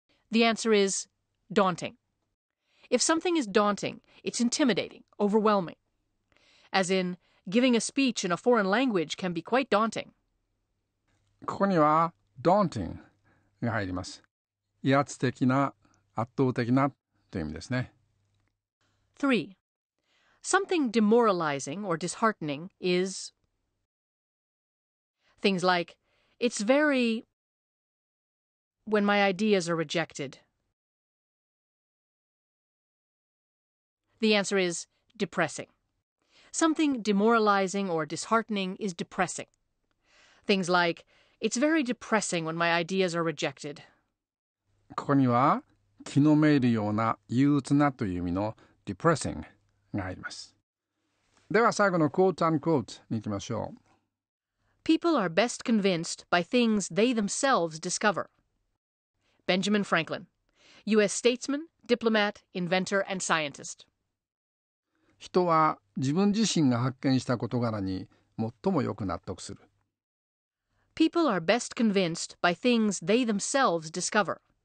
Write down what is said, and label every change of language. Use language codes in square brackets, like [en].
[en] The answer is daunting. If something is daunting, it's intimidating, overwhelming. As in, giving a speech in a foreign language can be quite daunting. [ja] ここには daunting が入ります。威圧的な、圧倒的なという意味ですね。 [en] 3. Something demoralizing or disheartening is things like it's very when my ideas are rejected. The answer is depressing. Something demoralizing or disheartening is depressing. Things like it's very depressing when my ideas are rejected. [ja] ここには気のめいるような憂鬱なという意味の depressing が入ります。では最後の quote unquote に行きましょう。 [en] People are best convinced by things they themselves discover. Benjamin Franklin, U.S. statesman, diplomat, inventor, and scientist. [ja] 人は自分自身が発見した事柄に最もよく納得する。 [en] People are best convinced by things they themselves discover.